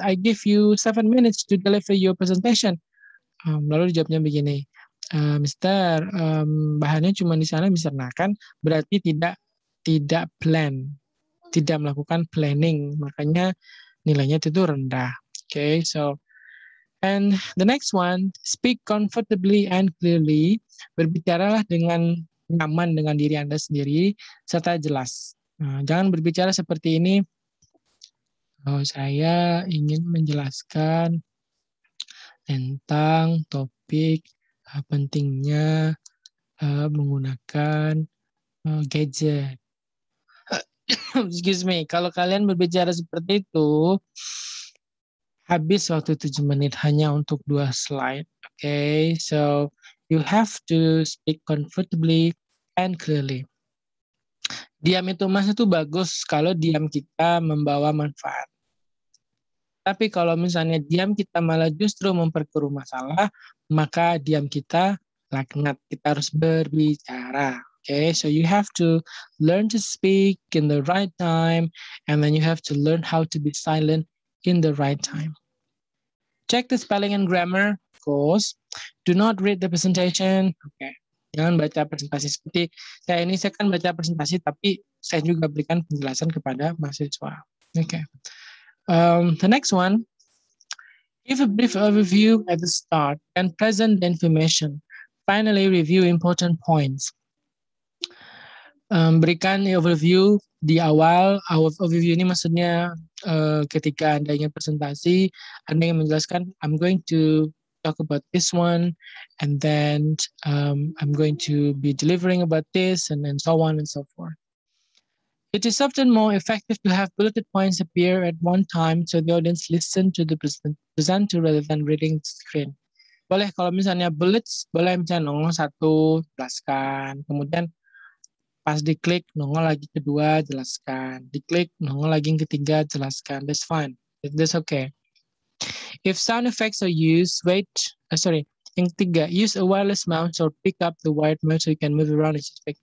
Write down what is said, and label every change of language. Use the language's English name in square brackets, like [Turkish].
[English] I give you 7 minutes to deliver your presentation. [Indonesian] Lalu jawabnya begini, mister, bahannya cuma di sana, mister. Nah, kan berarti tidak plan, tidak melakukan planning, makanya nilainya itu rendah. [English] Okay, so, and the next one, speak comfortably and clearly. [Indonesian] Berbicaralah dengan nyaman dengan diri Anda sendiri, serta jelas. Nah, jangan berbicara seperti ini, oh, saya ingin menjelaskan tentang topik pentingnya menggunakan gadget. [English] Excuse me, [Indonesian] kalau kalian berbicara seperti itu, habis waktu 7 menit hanya untuk 2 slide. [English] Okay, so you have to speak comfortably and clearly. [Indonesian] Diam itu emas itu bagus kalau diam kita membawa manfaat. Tapi kalau misalnya diam kita malah justru memperkeruh masalah, maka diam kita laknat. Kita harus berbicara. [English] Okay, so you have to learn to speak in the right time, and then you have to learn how to be silent in the right time. Check the spelling and grammar, of course. Do not read the presentation. Okay. [Indonesian] Jangan baca presentasi seperti saya ini, saya kan baca presentasi tapi saya juga berikan penjelasan kepada mahasiswa. [English] Okay. The next one, give a brief overview at the start and present the information. Finally, review important points. [Indonesian] Berikan overview di awal. Overview ini maksudnya ketika Anda ingin presentasi, Anda ingin menjelaskan, [English] I'm going to talk about this one, and then I'm going to be delivering about this, and then so on and so forth. It is often more effective to have bulleted points appear at one time so the audience listen to the presenter rather than reading the screen. [Indonesian] Boleh kalau misalnya bullets, boleh misalnya nongol satu, jelaskan. Kemudian pas diklik, nongol lagi kedua, jelaskan. Diklik, nongol lagi yang ketiga, jelaskan. [English] That's fine. That's okay. If sound effects are used, [Indonesian] yang ketiga, [English] use a wireless mouse or pick up the wired mouse so you can move around as you speak.